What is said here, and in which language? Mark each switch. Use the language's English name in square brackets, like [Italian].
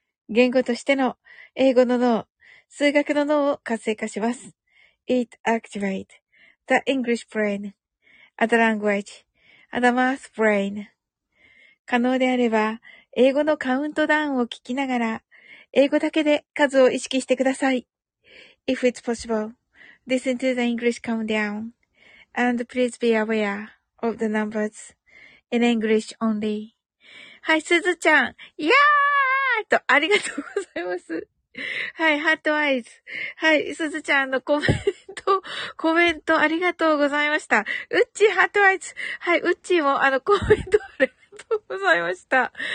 [Japanese] 言語としての英語の脳、数学の脳を活性化します。 [English] It activates the English brain, the language, and the math brain. [Japanese] 可能であれば、英語のカウントダウンを聞きながら、英語だけで数を意識してください。 [English] If it's possible, listen to the English countdown, and please be aware of the numbers in English only. [Japanese] はい、すずちゃん、いやーと、ありがとうございます。はい、ハートアイズ。はい、すずちゃんのコメントありがとうございました。うっちー、ハートアイズ。はい、うっちーも、コメントありがとうございました。